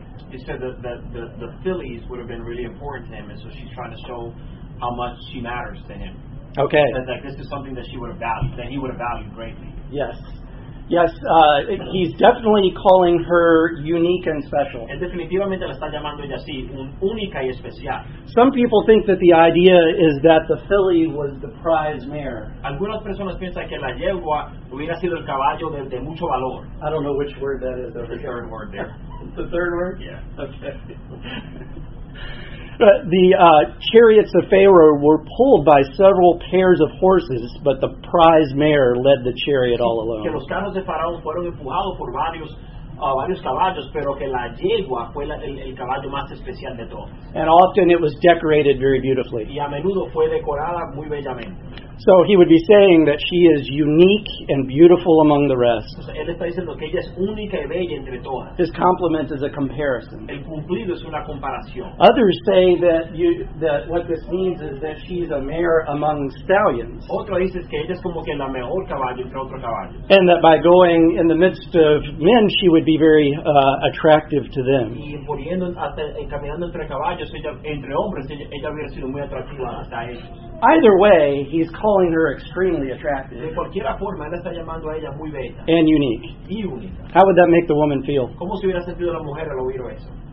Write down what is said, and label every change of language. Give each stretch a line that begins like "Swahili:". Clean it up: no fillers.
English: He said that the fillies would have been really important to him, and so she's trying to show how much she matters to him. Okay. That this is something that she would have valued, that he would have valued greatly. Yes. Yes, he's definitely calling her unique and special.
Spanish: Él definitivamente la está llamando ella así, única y especial.
English: Some people think that the idea is that the filly was the prize mare.
Spanish: Algunas personas piensan que la yegua hubiera sido el caballo de mucho valor.
English: I don't know which word that is. The third word there. The third word? Yeah. Okay. The chariots of Pharaoh were pulled by several pairs of horses, but the prize mare led the chariot all alone.
Spanish: Que los carros de Faraón fueron empujados por varios caballos, pero que la yegua fue el caballo más especial de todos.
English: And often it was decorated very beautifully.
Spanish: Y a menudo fue decorada muy bellamente.
English: So he would be saying that she is unique and beautiful among the rest.
Spanish: Él está diciendo que ella es única y bella entre todas.
English: This compliment is a comparison.
Spanish: El cumplido es una comparación.
English: Others say that what this means is that she's a mare among stallions.
Spanish: Otro dice que ella es como que la mejor caballo entre otros caballos.
English: And that by going in the midst of men, she would be very attractive to them.
Spanish: Y poniendo caminando entre caballos, entre hombres, ella hubiera sido muy atractiva hasta ellos.
English: Either way, he's calling her extremely attractive.
Spanish: De cualquiera forma, él está llamando a ella muy bella.
English: And unique.
Spanish: Y única.
English: How would that make the woman feel?
Spanish: ¿Cómo se hubiera sentido la mujer al oír eso?